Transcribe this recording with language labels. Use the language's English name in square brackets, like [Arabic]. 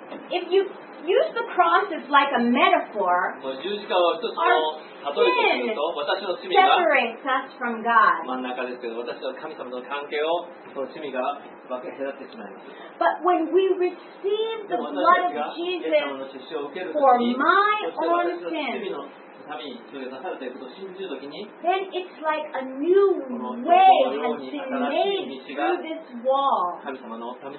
[English] If you use the cross as like a metaphor, our sin separates us from God. [Japanese] 真ん中ですけど、私は神様との関係をその罪が分け隔ってしまいます。 [English] But when we receive the blood of Jesus for my own sins,Then it's like a new way has been made through this wall.